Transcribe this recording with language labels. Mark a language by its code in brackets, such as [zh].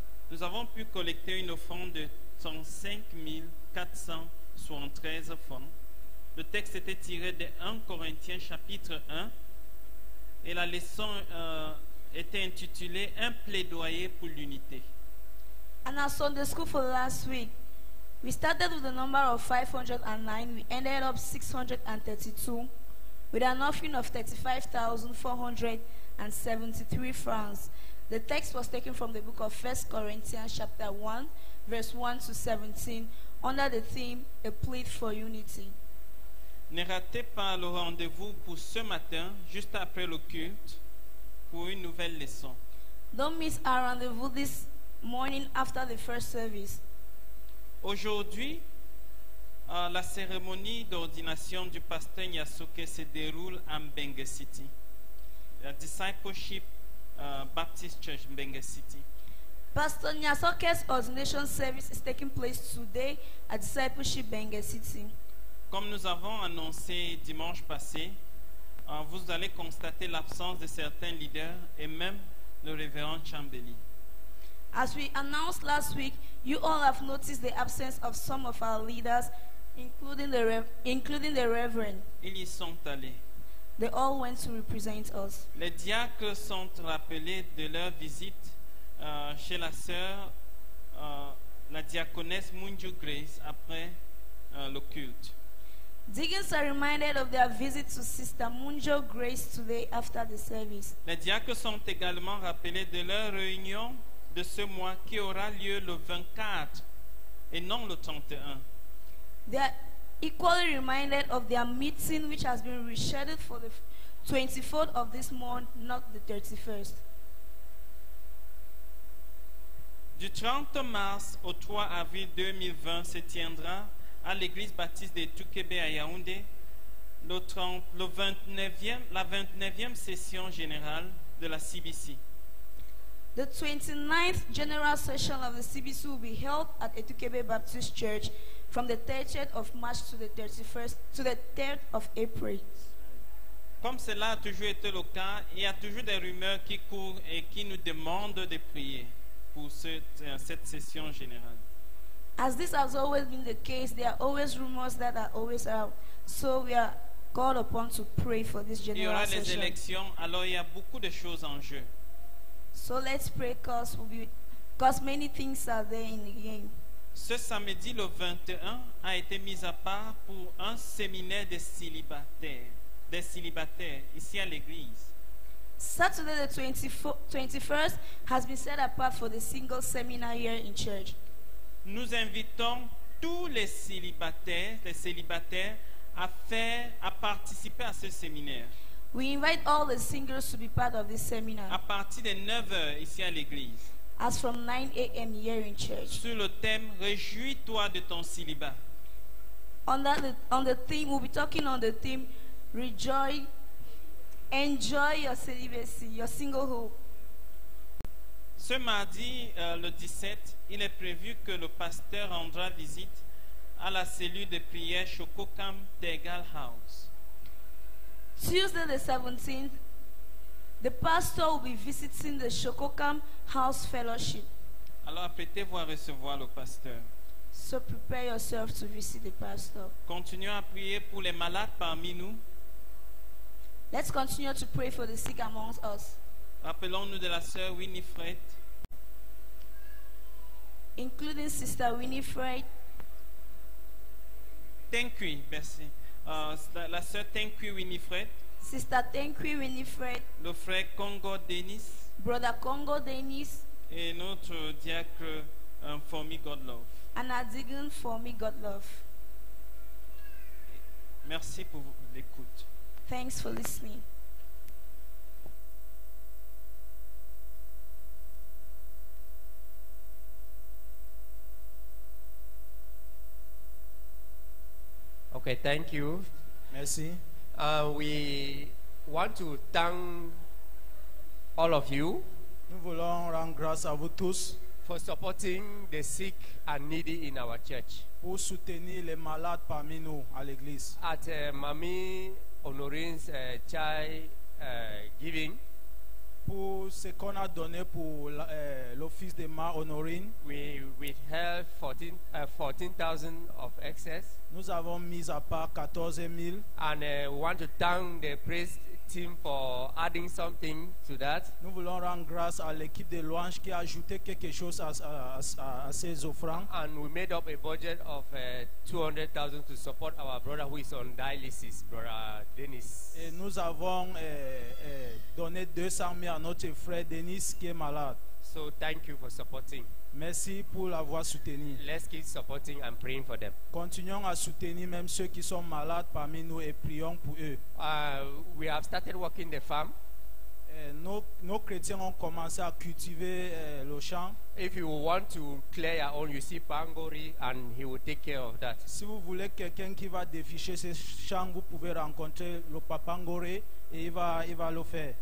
[fr] Nous avons pu collecter une offrande de 105 473 francs. Le texte était tiré de 1 Corinthiens chapitre 1 et la leçon était intitulée Un plaidoyer pour l'unité. [en] And our Sunday school for last week, we started with a number of 509. We ended up 632 with an offering of 35,473 francs. The text was taken from the book of 1 Corinthians chapter 1, verse 1 to 17, under the theme, A Plea for Unity. [fr] Ne ratez pas le rendez-vous pour ce matin, juste après le culte, pour une nouvelle leçon. [en] Don't miss our rendezvous this morning after the first service. [fr] Aujourd'hui, la cérémonie d'ordination du pasteur Yasuke se déroule en Benga City. [en] La Discipleship Baptist Church in Benga City. Pastor Yasuke's ordination service is taking place today at Discipleship Benga City. [fr] Comme nous avons annoncé dimanche passé, vous allez constater l'absence de certains leaders et même le révérend Chambeli. [en] As we announced last week, you all have noticed the absence of some of our leaders, including the Reverend. [fr] Ils y sont allés. [en] They all went to represent us. [fr] Les diacres sont rappelés de leur visite chez la sœur, la diaconesse Munju Grace, après le culte. [en] Deacons are reminded of their visit to Sister Munjo Grace today after the service. [fr] Les diacres sont également rappelés de leur réunion de ce mois qui aura lieu le 24 et non le 31. [en] They are equally reminded of their meeting which has been rescheduled for the 24th of this month, not the 31st. [fr] Du 30 mars au 3 avril 2020 se tiendra à l'église baptiste de Tukebe à Yaoundé la 29e session générale de la CBC. [en] The 29th general session of the CBC will be held at Etukebe Baptist Church from the 30th of March to the 31st to the 3rd of April. [fr] Comme cela a toujours été le cas, il y a toujours des rumeurs qui courent et qui nous demandent de prier pour cette session générale. [en] As this has always been the case, there are always rumors that are always out. So we are called upon to pray for this general session. [fr] Il y aura les élections, alors il y a beaucoup de choses en jeu. [en] So let's pray, cause we'll be Because many things are there in the game. [fr] Ce samedi le 21 a été mis à part pour un séminaire des célibataires. Des célibataires ici à l'église. [en] Saturday the 21st has been set apart for the single seminar here in church. [fr] Nous invitons tous les célibataires à participer à ce séminaire. [en] We invite all the singles to be part of this seminar. [fr] À partir de 9h ici à l'église. [en] As from 9 a.m. here in church. [fr] Sur le thème réjouis-toi de ton célibat. [en] On the theme rejoice, enjoy your celibacy, your singlehood. [fr] Ce mardi le 17, il est prévu que le pasteur rendra visite à la cellule de prière Chococam Tegal House. [en] Tuesday the 17th, the pastor will be visiting the Chococam House Fellowship. [fr] Alors apprêtez-vous à recevoir le pasteur. [en] So prepare yourself to visit the pastor. [fr] Continuons à prier pour les malades parmi nous. [en] Let's continue to pray for the sick amongst us. [fr] Rappelons-nous de la sœur Winifred. [en] Including sister Winifred. Thank you, [fr] merci. La sœur Thank you Winifred. [en] Sister Thank you Winifred. [fr] Le frère Congo Dennis. [en] Brother Congo Dennis. [fr] Et notre diacre For Me God Love. [en] And our deacon For Me God Love. [fr] Merci pour l'écoute. [en] Thanks for listening. Okay, thank you. [fr] Merci. [en] We want to thank all of you. [fr] Nous voulons rendre grâce à vous tous [en] for supporting the sick and needy in our church. [fr] Pour soutenir les malades parmi nous à l'église. [en] At Mami Honorine's chai giving. [fr] Pour ce qu'on a donné pour l'office de Ma Honorine. [en] We have 14,000 of excess. [fr] Nous avons mis à part 14,000. [en] And we want to thank the priest team for adding something to that. [fr] Nous voulons rendre grâce à l'équipe de louange qui a ajouté quelque chose à ces offrandes. [en] And we made up a budget of 200,000 to support our brother who is on dialysis, brother Dennis. [fr] Et nous avons donné 200,000 à notre frère Dennis qui est malade. [en] So thank you for supporting. [fr] Merci pour l'avoir soutenu. [en] Let's keep supporting and praying for them. [fr] Continuons à soutenir même ceux qui sont malades parmi nous et prions pour eux. [en] We have started working the farm. [fr] Nos chrétiens ont commencé à cultiver le champ. [en] If you want to clear your own, you see Pangori and he will take care of that. [fr] Si vous voulez quelqu'un qui va déficher ce champ, vous pouvez rencontrer le papa Ngori et il va le faire.